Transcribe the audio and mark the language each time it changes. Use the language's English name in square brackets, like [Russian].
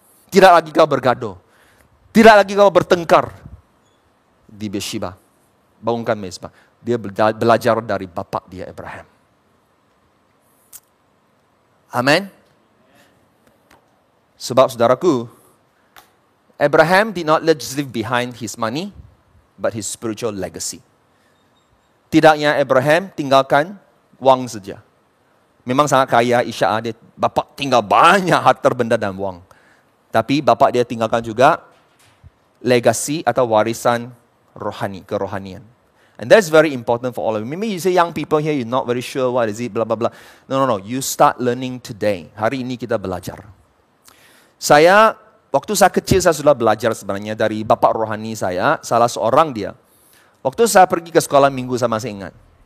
[Malay] Tidak lagi kau bergaduh. Tidak lagi kau bertengkar di Beersheba. Bangunkan mezbah. Dia belajar dari bapa dia Abraham. Amen. Sebab saudaraku, [English] Abraham did not just leave behind his money, but his spiritual legacy. [Malay] Tidaknya Abraham tinggalkan wang saja. Memang sangat kaya Ishak, dia bapak tinggal banyak harta benda dan wang. Tapi bapak dia tinggalkan juga legacy atau warisan rohani, kerohanian. [English] And that's very important for all of you. Maybe you say young people here, you're not very sure what is it, blah, blah, blah. No, no, no. You start learning today. [Malay] Hari ini kita belajar. Saya, waktu saya kecil, saya sudah belajar sebenarnya dari bapak rohani saya, salah seorang dia. Waktu saya pergi ke sekolah minggu, saya masih ingat.